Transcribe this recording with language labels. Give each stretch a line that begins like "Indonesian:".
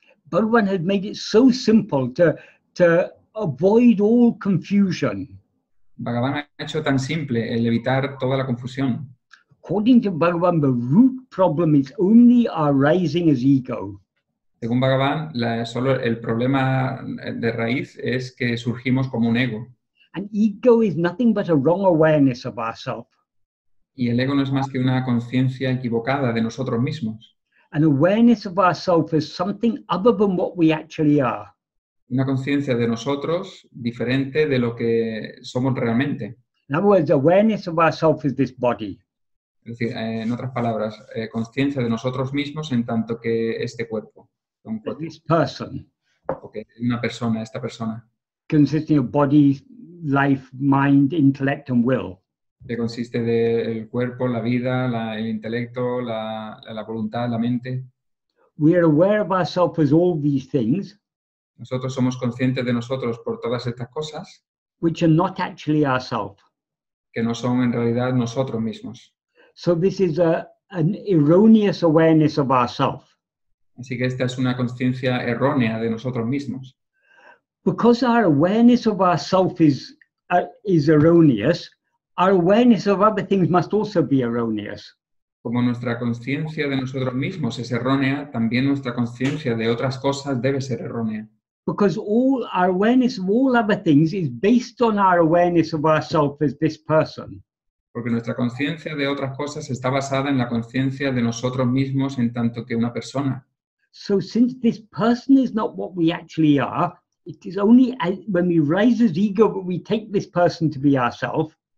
English: Bhagavan has made it so simple to avoid all confusion.
Spanish: Bhagavan ha hecho tan simple el evitar toda la confusión.
English: According to Bhagavan, the root problem is only arising as ego.
Spanish: Según Bhagavan, solo el problema de raíz es que surgimos como un ego.
English: And ego is nothing but a wrong awareness of ourselves.
Spanish: Y el ego no es más que una conciencia equivocada de nosotros mismos.
English: An awareness of ourselves is something other than what we actually are.
Spanish: Una conciencia de nosotros diferente de lo que somos realmente.
English: In other words, awareness of ourselves is this body.
Spanish: Es decir, en otras palabras, conciencia de nosotros mismos en tanto que este cuerpo.
English: This person.
Spanish: Okay, una persona, esta persona.
English: Consisting of body, life, mind, intellect and will.
Spanish: Que consiste del cuerpo, la vida, el intelecto, la voluntad, la mente.
English: We are aware of ourselves as all these things.
Spanish: Nosotros somos conscientes de nosotros por todas estas cosas.
English: Which are not actually ourselves.
Spanish: Que no son en realidad nosotros mismos.
English: So this is an erroneous awareness of ourselves.
Spanish: Así que esta es una conciencia errónea de nosotros mismos.
English: Because our awareness of ourselves is erroneous, our awareness of other things must also be erroneous.
Spanish: Como nuestra conciencia de nosotros mismos es errónea, también nuestra conciencia de otras cosas debe ser errónea.
English: Because all our awareness of all other things is based on our awareness of ourselves as this person.
Spanish: Porque nuestra conciencia de otras cosas está basada en la conciencia de nosotros mismos en tanto que una persona.
English: So since this person is not what we actually are, it is only when we rise as ego that we take this person to be ourselves.